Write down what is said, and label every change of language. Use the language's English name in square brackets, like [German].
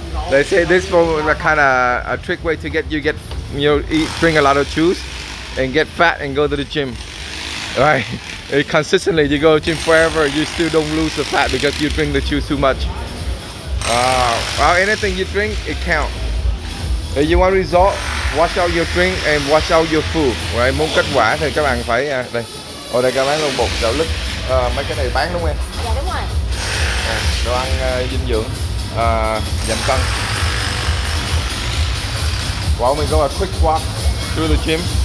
[English] They say this is a kind of a trick way to get you get you eat drink a lot of juice and get fat and go to the gym. Right? It consistently you go to gym forever, you still don't lose the fat because you drink the juice too much. Well, anything you drink, it count. If you want result, watch out your drink and watch out your food. Right? [Vietnamese] Muốn kết quả thì các bạn phải đây. Ở đây các bạn luôn bột gạo lứt. Mấy cái này bán đúng không em? Dạ đúng rồi. Đồ ăn dinh dưỡng, giảm cân. [English] Well, we go a quick walk through the gym.